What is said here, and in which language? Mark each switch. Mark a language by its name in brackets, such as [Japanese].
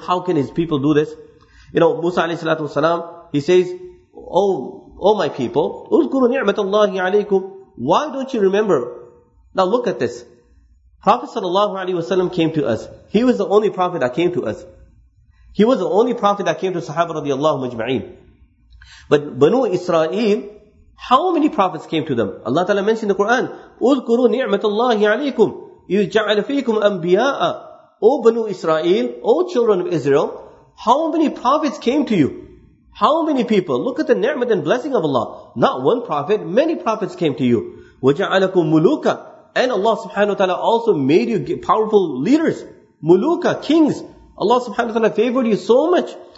[English] How can his people do this? You know, Musa alayhi salatu wasalam, he says, Oh my people, [Arabic] اُذْكُرُوا نِعْمَةَ اللَّهِ عَلَيْكُمْ. [English] Why don't you remember? Now look at this. Prophet sallallahu alayhi wasallam came to us. He was the only prophet that came to us. He was the only prophet that came to Sahaba radiallahu majma'in. But Banu Israel, how many prophets came to them? Allah ta'ala mentioned in the Quran, [Arabic] اُذْكُرُوا نِعْمَةَ اللَّهِ عَلَيْكُمْ يُجَعَلَ فِيكُمْ أَنْبِيَاءَ. [English] O Banu Israel, O children of Israel, how many prophets came to you? How many people? Look at the ni'mat and blessing of Allah. Not one prophet, many prophets came to you. [Arabic] وَجَعَلَكُمْ مُلُوكَ. [English] And Allah subhanahu wa ta'ala also made you powerful leaders. Muluka, kings. Allah subhanahu wa ta'ala favored you so much.